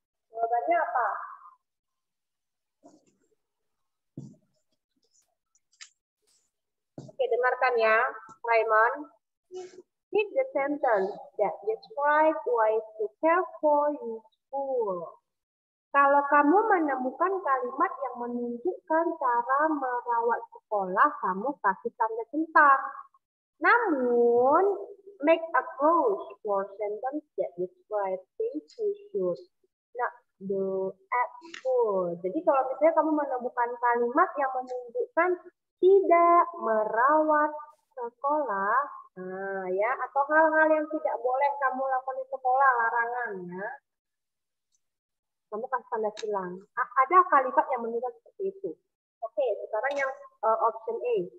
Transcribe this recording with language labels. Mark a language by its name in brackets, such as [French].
[Indonesian] Jawabannya apa? Oke, dengarkan ya, Raymond. [English] Read the sentence that describes why to care for your school. [Indonesian] Kalau kamu menemukan kalimat yang menunjukkan cara merawat sekolah, kamu kasih tanda centang. [English] Namun, make a quote for sentence that describes things you should not do at school. [Indonesian] Jadi kalau misalnya kamu menemukan kalimat yang menunjukkan tidak merawat sekolah, nah ya, atau hal-hal yang tidak boleh kamu lakukan di sekolah, larangannya, kamu kasih tanda silang. Ada kalimat yang menunjukkan seperti itu. Oke, sekarang yang option A.